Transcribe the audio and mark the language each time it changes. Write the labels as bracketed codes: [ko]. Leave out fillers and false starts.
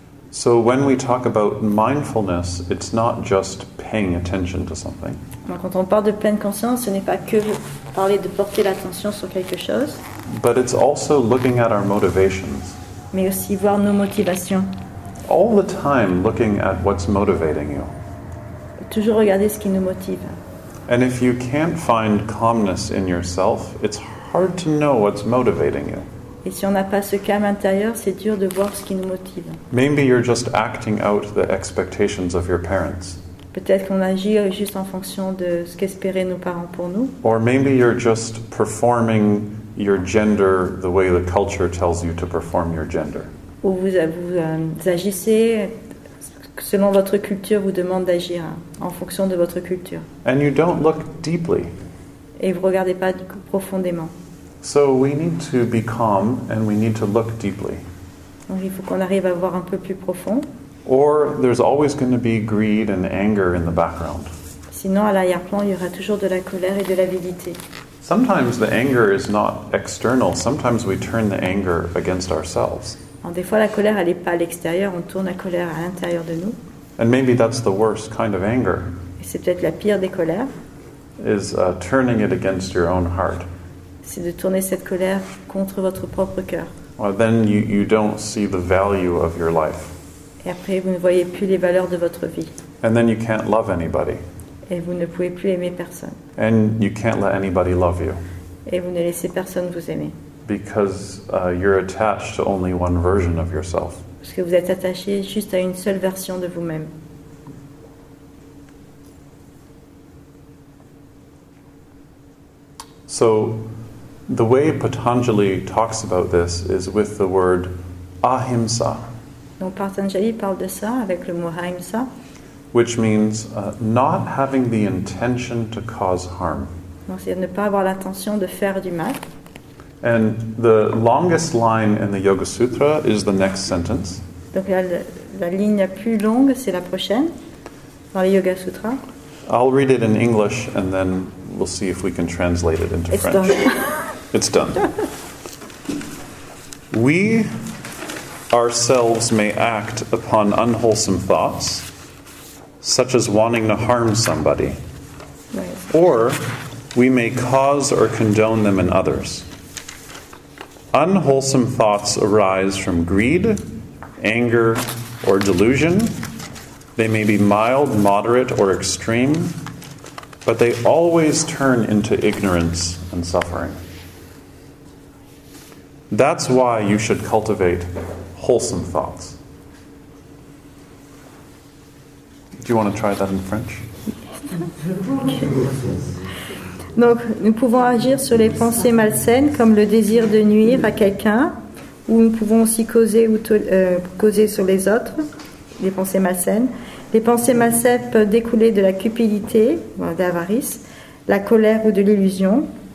[en] So when we talk about mindfulness, it's not just paying attention to something. [fr] Donc quand on parle de pleine conscience, ce n'est pas que parler de porter l'attention sur quelque chose. [en] But it's also looking at our motivations. [fr] Mais aussi voir nos motivations. [en] All the time looking at what's motivating you. [fr] Toujours regarder ce qui nous motive. [en] And if you can't find calmness in yourself, it's hard to know what's motivating you. [fr] Et si on n'a pas ce calme intérieur, c'est dur de voir ce qui nous motive. [en] Maybe you're just acting out the expectations of your parents. [fr] Peut-être qu'on agit juste en fonction de ce qu'espéraient nos parents pour nous. [en] Or maybe you're just performing your gender the way the culture tells you to perform your gender. [fr] Ou vous agissez selon votre culture, vous demande d'agir en fonction de votre culture. [en] And you don't look deeply. [fr] Et vous regardez pas du coup profondément. [en] So we need to be calm and we need to look deeply. [fr] Donc il faut qu'on arrive à voir un peu plus profond. [en] Or there's always going to be greed and anger in the background. [fr] Sinon, à l'arrière-plan, il y aura toujours de la colère et de l'avidité. [en] Sometimes the anger is not external. Sometimes we turn the anger against ourselves. [fr] Des fois, la colère, elle n'est pas à l'extérieur. On tourne la colère à l'intérieur de nous. [en] And maybe that's the worst kind of anger. [fr] Et c'est peut-être la pire des colères. [en] Is turning it against your own heart. [fr] C'est de tourner cette colère contre votre propre cœur. [en] Well, then you don't see the value of your life. [fr] Et après, vous ne voyez plus les valeurs de votre vie. [en] And then you can't love anybody. [fr] Et vous ne pouvez plus aimer personne. [en] And you can't let anybody love you. [fr] Et vous ne laissez personne vous aimer. [en] Because you're attached to only one version of yourself. [fr] Parce que vous êtes attaché juste à une seule version de vous-même. [en] So, the way Patanjali talks about this is with the word ahimsa. [fr] Donc Patanjali parle de ça avec le mot ahimsa. [en] Which means not having the intention to cause harm. [fr] Donc, c'est ne pas avoir l'intention de faire du mal. [en] And the longest line in the Yoga Sutra is the next sentence. [fr] Donc la ligne la plus longue, c'est la prochaine, dans le Yoga Sutra. [en] I'll read it in English, and then we'll see if we can translate it into It's French. Done. It's done. We ourselves may act upon unwholesome thoughts, such as wanting to harm somebody. Right. Or we may cause or condone them in others. Unwholesome thoughts arise from greed, anger, or delusion. They may be mild, moderate, or extreme, but they always turn into ignorance and suffering. That's why you should cultivate wholesome thoughts. Do you want to try that in French? [fr] Donc, nous pouvons agir sur les pensées malsaines comme le désir de nuire à quelqu'un ou nous pouvons aussi causer sur les autres les pensées malsaines. Les pensées malsaines peuvent découler de la cupidité, d'avarice, la colère ou de l'illusion.